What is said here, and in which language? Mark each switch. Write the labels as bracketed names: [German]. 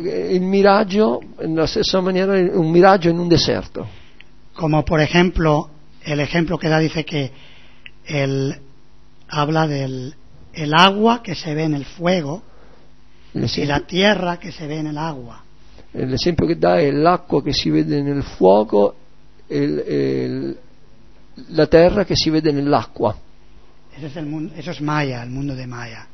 [Italian] Il miraggio, nella stessa maniera, un miraggio in un deserto. [Spanish] Como por ejemplo, el ejemplo que da dice que él habla del el agua que se ve en el fuego y la tierra que se ve en el agua. El ejemplo que da es [Italian] l'acqua que si vede nel fuoco la terra che si vede nell'acqua. [Spanish] Ese es el mundo, eso es Maya, el mundo de Maya.